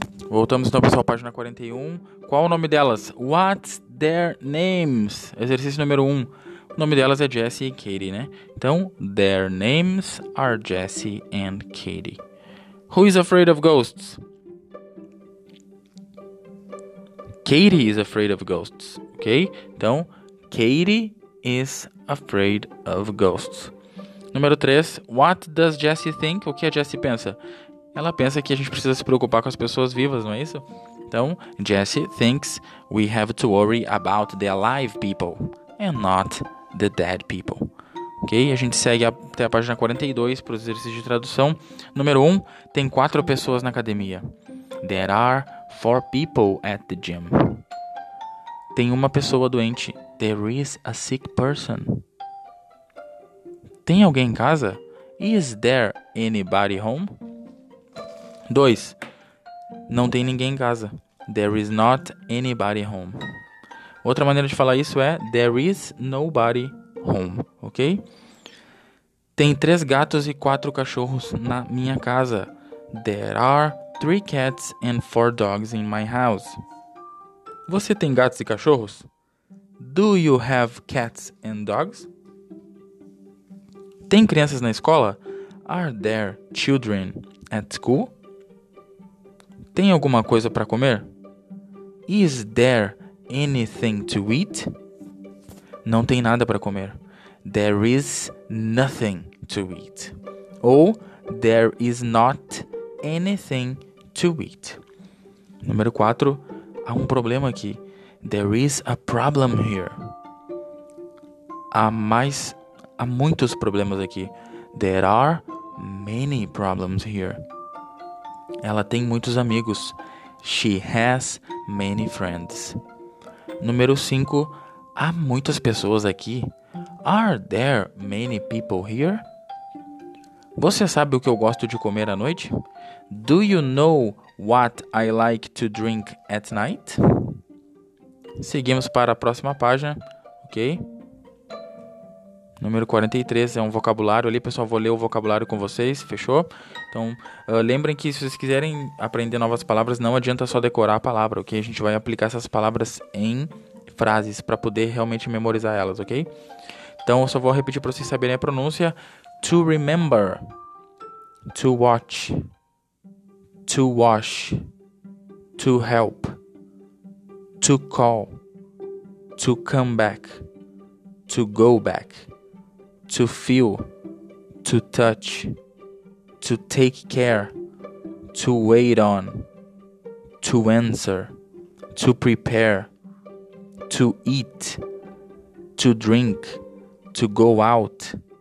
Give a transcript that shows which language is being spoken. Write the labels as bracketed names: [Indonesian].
[Portuguese] Voltamos então, pessoal, página 41. Qual o nome delas? [English] What's their names? [Portuguese] Exercício número 1. O nome delas é Jesse e Katie, né? [English] Então, their names are Jesse and Katie. Who is afraid of ghosts? Katie is afraid of ghosts, ok? Então, Katie is afraid of ghosts. [Portuguese] Número 3. [English] What does Jesse think? [Portuguese] O que a Jesse pensa? Ela pensa que a gente precisa se preocupar com as pessoas vivas, não é isso? [English] Então, Jesse thinks we have to worry about the alive people and not the dead people. Ok? [Portuguese] A gente segue até a página 42 para os exercícios de tradução. Número 1. Tem 4 pessoas na academia. [English] There are 4 people at the gym. [Portuguese] Tem uma pessoa doente. [English] There is a sick person. [Portuguese] Tem alguém em casa? [English] Is there anybody home? 2. [Portuguese] Não tem ninguém em casa. [English] There is not anybody home. [Portuguese] Outra maneira de falar isso é [English] there is nobody home, [Portuguese] ok? Tem 3 gatos e 4 cachorros na minha casa. [English] There are 3 cats and 4 dogs in my house. [Portuguese] Você tem gatos e cachorros? [English] Do you have cats and dogs? [Portuguese] Tem crianças na escola? [English] Are there children at school? [Portuguese] Tem alguma coisa para comer? [English] Is there anything to eat? [Portuguese] Não tem nada para comer. [English] There is nothing to eat. Ou, there is not anything to eat. [Portuguese] Número 4. Há um problema aqui. [English] There is a problem here. [Portuguese] Há muitos problemas aqui. [English] There are many problems here. [Portuguese] Ela tem muitos amigos. [English] She has many friends. [Portuguese] Número 5. Há muitas pessoas aqui. [English] Are there many people here? [Portuguese] Você sabe o que eu gosto de comer à noite? [English] Do you know what I like to drink at night? [Portuguese] Seguimos para a próxima página, ok? Número 43 é um vocabulário ali, pessoal, vou ler o vocabulário com vocês, fechou? Então, lembrem que se vocês quiserem aprender novas palavras, não adianta só decorar a palavra, ok? A gente vai aplicar essas palavras em frases para poder realmente memorizar elas, ok? Então, eu só vou repetir para vocês saberem a pronúncia. [English] To remember, to watch, to wash, to help, to call, to come back, to go back, to feel, to touch, to take care, to wait on, to answer, to prepare, to eat, to drink, to go out,